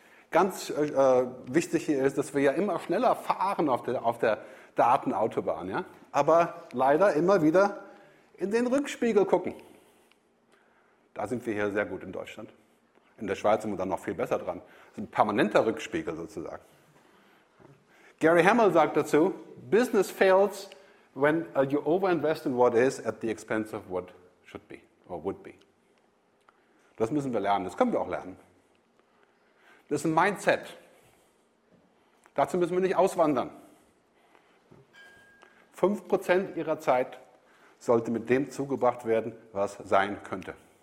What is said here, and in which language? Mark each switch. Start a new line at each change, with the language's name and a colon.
German: Ganz wichtig hier ist, dass wir ja immer schneller fahren auf der Datenautobahn, aber leider immer wieder in den Rückspiegel gucken. Da sind wir hier sehr gut in Deutschland. In der Schweiz sind wir dann noch viel besser dran. Das ist ein permanenter Rückspiegel sozusagen.
English: Gary Hamel sagt dazu, Business fails when you overinvest in what is at the expense of what should be or would be.
German: Das müssen wir lernen, das können wir auch lernen. Das ist ein Mindset. Dazu müssen wir nicht auswandern. 5% Ihrer Zeit sollte mit dem zugebracht werden, was sein könnte.